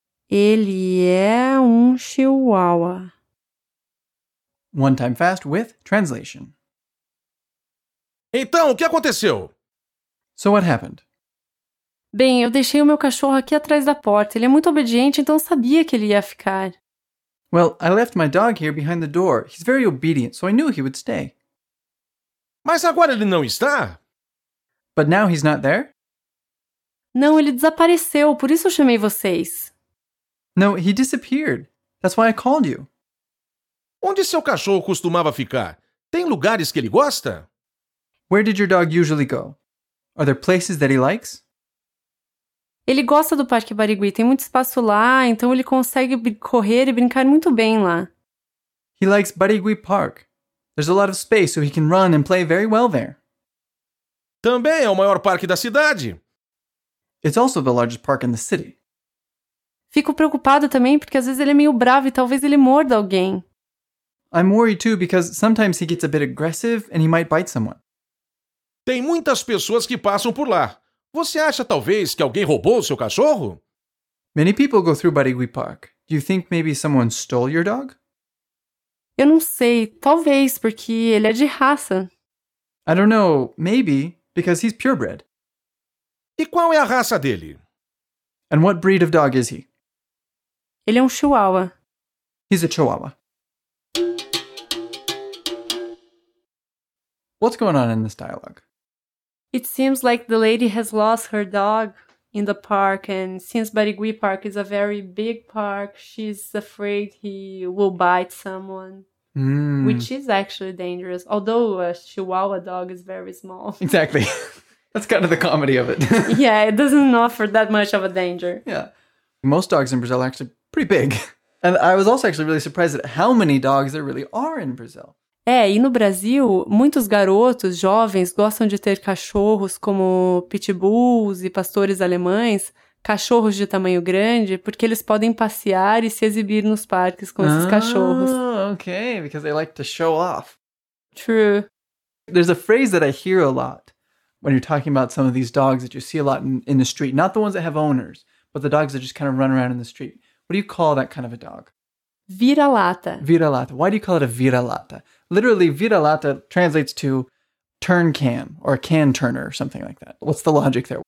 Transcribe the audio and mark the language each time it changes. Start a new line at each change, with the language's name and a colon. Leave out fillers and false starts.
Portuguese: Ele é um chihuahua.
English: One time fast with translation.
Portuguese: Então, o que aconteceu?
English: So what happened?
Portuguese: Bem, eu deixei o meu cachorro aqui atrás da porta. Ele é muito obediente, então eu sabia que ele ia ficar.
English: Well, I left my dog here behind the door. He's very obedient, so I knew he would stay.
Portuguese: Mas agora ele não está?
English: But now he's not there?
Portuguese: Não, ele desapareceu. Por isso eu chamei vocês.
English: No, he disappeared. That's why I called you.
Portuguese: Onde seu cachorro costumava ficar? Tem lugares que ele gosta?
English: Where did your dog usually go? Are there places that he likes?
Portuguese: Ele gosta do Parque Barigui. Tem muito espaço lá, então ele consegue correr e brincar muito bem lá.
English: He likes Barigui Park. There's a lot of space, so he can run and play very well there.
Portuguese: Também é o maior parque da cidade.
English: It's also the largest park in the city.
Portuguese: Fico preocupado também, porque às vezes ele é meio bravo e talvez ele morda alguém.
English: I'm worried too, because sometimes he gets a bit aggressive and he might bite someone.
Portuguese: Tem muitas pessoas que passam por lá. Você acha, talvez, que alguém roubou o seu cachorro?
English: Many people go through Barigui Park. Do you think maybe someone stole your dog?
Portuguese: Eu não sei. Talvez, porque ele é de raça.
English: I don't know. Maybe, because he's purebred.
Portuguese: E qual é a raça dele?
English: And what breed of dog is he?
Portuguese: Ele é um chihuahua.
English: He's a chihuahua. What's going on in this dialogue? It seems like the lady has lost her dog in the park, and since Barigui Park is a very big park, she's afraid he will bite someone, which is actually dangerous, although a chihuahua dog is very small. Exactly. That's kind of the comedy of it. Yeah, it doesn't offer that much of a danger. Yeah. Most dogs in Brazil are actually pretty big. And I was also actually really surprised at how many dogs there really are in Brazil.
Portuguese: É, e no Brasil, muitos garotos jovens gostam de ter cachorros como pitbulls e pastores alemães, cachorros de tamanho grande, porque eles podem passear e se exibir nos parques com esses cachorros.
English: Oh, okay, because they like to show off. True. There's a phrase that I hear a lot when you're talking about some of these dogs that you see a lot in the street, not the ones that have owners, but the dogs that just kind of run around in the street. What do you call that kind of a dog?
Portuguese: Vira-lata.
English: Vira-lata. Why do you call it a vira-lata? Literally, vira-lata translates to turn can or can turner or something like that. What's the logic there?